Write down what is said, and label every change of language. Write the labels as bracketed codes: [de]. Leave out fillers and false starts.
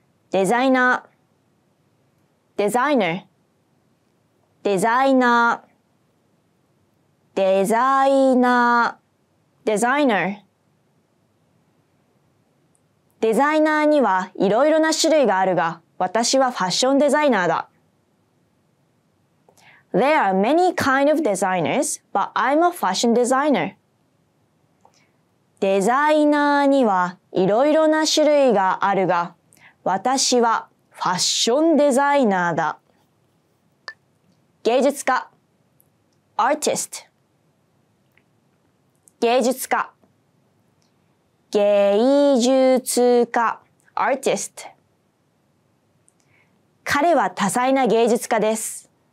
[ja] デザイナー、デザイナー、デザイナー、デザイナー、デザイナー。デザイナーにはいろいろな種類があるが、私はファッションデザイナーだ。 [en] There are many kind of designers, but I'm a fashion designer. [ja] デザイナーにはいろいろな種類があるが、私はファッションデザイナーだ。芸術家 artist 芸術家芸術家 artist 彼は多彩な芸術家です。